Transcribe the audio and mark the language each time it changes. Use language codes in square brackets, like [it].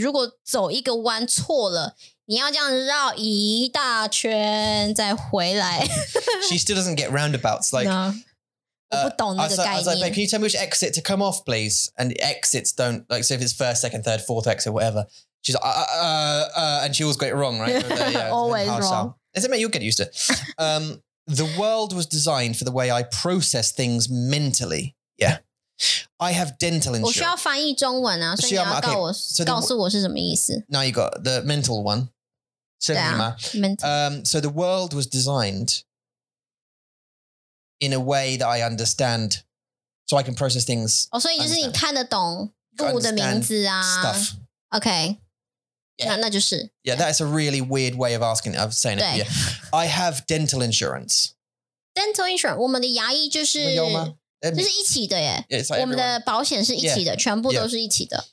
[zh] 而且你开错了,不像台湾,就是你开错,你忘记转弯,你就到下一个路再转就好了。但是在英国是你如果走一个弯错了, 你要这样绕一大圈再回来. [en] She still doesn't get roundabouts. Like, no, I was like, babe, can you tell me which exit to come off, please? And exits don't, like, so if it's first, second, third, fourth exit, whatever. She's like, and she always got it wrong, right? always wrong. It's a minute, you'll get used to it. The world was designed for the way I process things mentally. Yeah. I have dental insurance. [zh] 我需要翻译中文啊, 所以你要告诉我是什么意思。 [en] Now you got the mental one. So the world was designed in a way that I understand, so I can process things. Oh, so you just stuff. Okay. Yeah, that's a really weird way of asking it, of saying it. Yeah. I have dental insurance. Dental insurance. [zh] 我们的牙医就是... 就是一起的耶 我们的保险是一起的 全部都是一起的